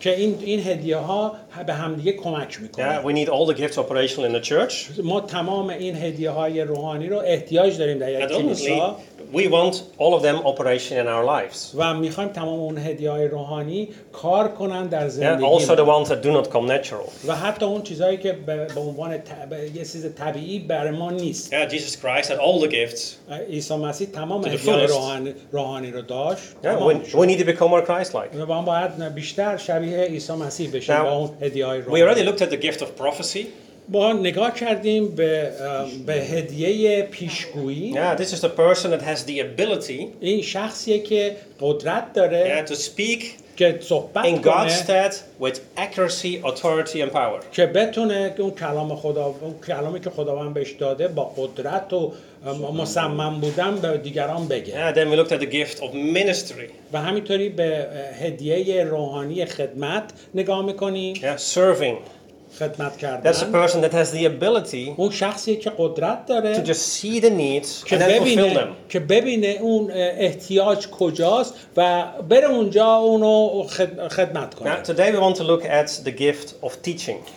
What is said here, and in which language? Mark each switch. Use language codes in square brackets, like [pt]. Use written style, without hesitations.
[fa] که این هدیه‌ها به هم دیگه کمک می‌کنه. [en] Yeah, we need all the gifts operational in the church. [fa] ما تمام این هدیه‌های روحانی رو احتیاج داریم در کلیسا. [en] We want all of them operation in our lives. [fa] و می‌خوایم تمام اون هدیه‌های روحانی کار کنن در زندگی. [en] Yeah, also the ones that do not come natural. [fa] و حتی اون چیزایی که به عنوان یه چیز طبیعی برای ما نیست. [en] Yeah, Jesus Christ had all the gifts. [fa] عیسی مسیح تمام هدیه‌های روحانی رو داشت. [en] Yeah, we need to become more Christ-like. [fa] ما باید بیشتر شبیه عیسی مسیح بشیم با اون هدیه‌های روحانی. [en] We already looked at the gift of prophecy. [fa] ما نگاه کردیم به هدیه پیشگویی. [en] Yeah, this is the person that has the ability. [fa] این شخصیه که قدرت داره. [en] Yeah, to speak. [fa] که صحبت [en] in God's stead with accuracy, authority and power. [fa] که بتونه اون کلام خدا، اون کلامی که خداوند بهش داده با قدرت و مصمم بودن به دیگران بگه. [en] Yeah, then we looked at the gift of ministry. [fa] و همینطوری به هدیه روحانی خدمت نگاه می‌کنیم. [en] Yeah, serving. [fa] خدمت کردن. [en] That's a person that has the ability. [fa] اون شخصی که قدرت داره. [en] To just see the needs and then fulfill them. [fa] که ببینه اون احتیاج کجاست و بره اونجا اونو خدمت کنه. [en] Now today we want to look at the gift of teaching.